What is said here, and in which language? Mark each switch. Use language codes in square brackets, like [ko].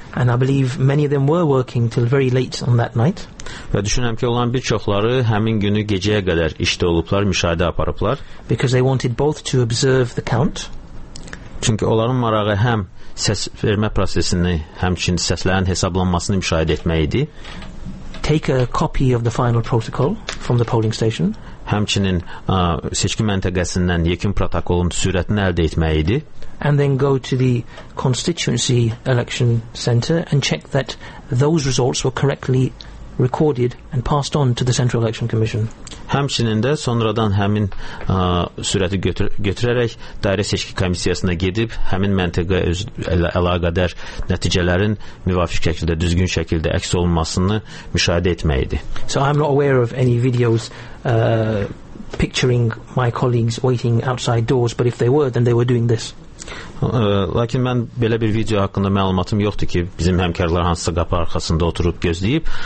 [en] And I believe many of them were working till very late on that night. [az] Və düşünürəm ki, olan bir çoxları həmin günü gecəyə qədər işdə olublar, müşahidə aparıblar. [en] Because they wanted both to observe the count. [az] Çünki onların marağı həm səs vermə prosesini, həmçinin səslərin hesablanmasını müşahidə etmək idi. [en] Take a copy of the final protocol from the polling station. [az] Həmçinin seçki məntəqəsindən yekun protokolun sürətini əldə etmək idi. [en] And then go to the constituency election center and check that those results were correctly recorded and passed on to the Central Election Commission. [az] Həmçinin də sonradan həmin sürəti götürərək dairə seçki komissiyasına gedib həmin məntəqə əlaqədar nəticələrin müvafiq şəkildə, düzgün şəkildə əks olunmasını müşahidə etmək idi. [en] So I'm not aware of any videos picturing my colleagues waiting outside doors, but if they were, then they were doing this. [az] Lakin mən belə bir video haqqında məlumatım yoxdur ki, bizim həmkarlar hansısa qapı arxasında oturub gözləyib.